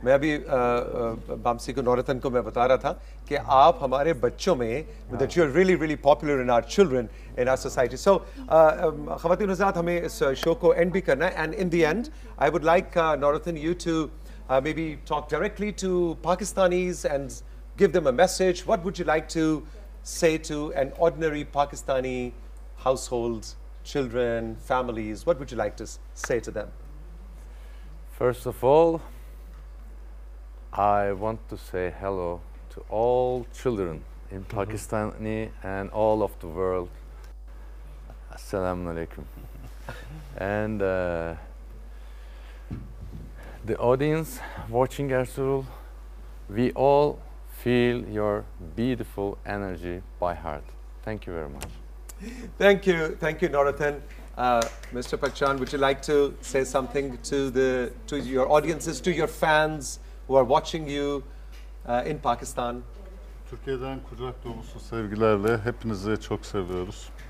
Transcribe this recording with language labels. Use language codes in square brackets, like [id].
[hi] मैं अभी बामसी को, नौरतन को मैं बता रहा था कि आप हमारे बच्चों में, [en] That you are really really popular in our children in our society. So [hi] ख़वातीन हज़रात, हमें इस शो को एंड भी करना है, [en] And in the end I would like Nauratan you to maybe talk directly to Pakistanis and give them a message. What would you like to say to an ordinary Pakistani households, children, families, what would you like to say to them? First of all, I want to say hello to all children in Pakistani and all of the world. Assalamu alaikum. And the audience watching Ertugrul, we all feel your beautiful energy by heart. Thank you very much. Thank you. Thank you, Nurettin. Mr. Pekcan, would you like to say something to the to your audiences, to your fans who are watching you in Pakistan? [tr] Türkiye'den kucak dolusu sevgilerle hepinizi çok seviyoruz.